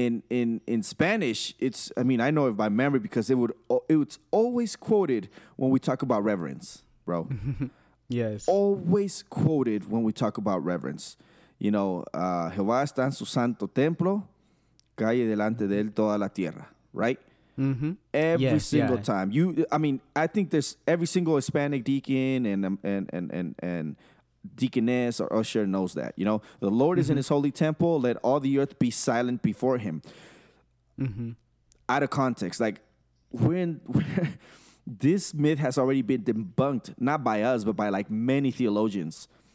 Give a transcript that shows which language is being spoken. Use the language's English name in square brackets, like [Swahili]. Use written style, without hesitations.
[English] In Spanish, it's, I mean, I know it by memory because it's always quoted when we talk about reverence, bro. Yes. Always quoted when we talk about reverence. You know, [Spanish] Jehová está en su santo templo, calle delante de él toda la tierra, [English] right? Mm-hmm. Every single time. I think there's every single Hispanic deacon and deaconess or usher knows that, you know, the Lord mm-hmm. is in his holy temple. Let all the earth be silent before him. Mm-hmm. Out of context, like when this myth has already been debunked, not by us, but by like many theologians.